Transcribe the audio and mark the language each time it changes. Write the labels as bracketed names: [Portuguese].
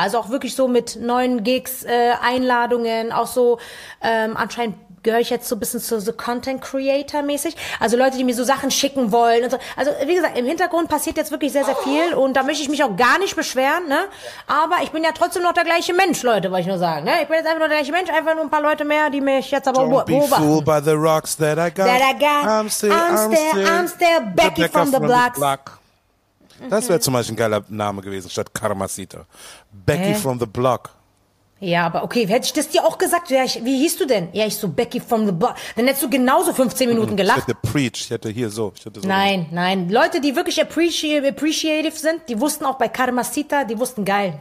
[German] Also auch wirklich so mit neuen Gigs, Einladungen, auch so anscheinend gehöre ich jetzt so ein bisschen zu so Content Creator mäßig. Also Leute, die mir so Sachen schicken wollen und so. Also wie gesagt, im Hintergrund passiert jetzt wirklich sehr, sehr viel und da möchte ich mich auch gar nicht beschweren, ne? Aber ich bin ja trotzdem noch der gleiche Mensch, Leute, wollte ich nur sagen, ne? Ich bin jetzt einfach nur der gleiche Mensch, einfach nur ein paar Leute mehr, die mich jetzt aber beobachten. [English] Don't be fooled by the rocks that I got. I'm still Becky from the block. [German] Das wäre zum Beispiel ein geiler Name gewesen, statt Karmasita. Becky from the block. Ja, aber okay, hätte ich das dir auch gesagt, ja, ich, wie hieß du denn? Ja, ich so Becky from the Block. Dann hättest du genauso 15 Minuten gelacht. Ich hätte preach, ich hätte hier so. Ich hätte so nein, was. Nein. Leute, die wirklich appreciative sind, die wussten auch bei Karma Sita, die wussten geil.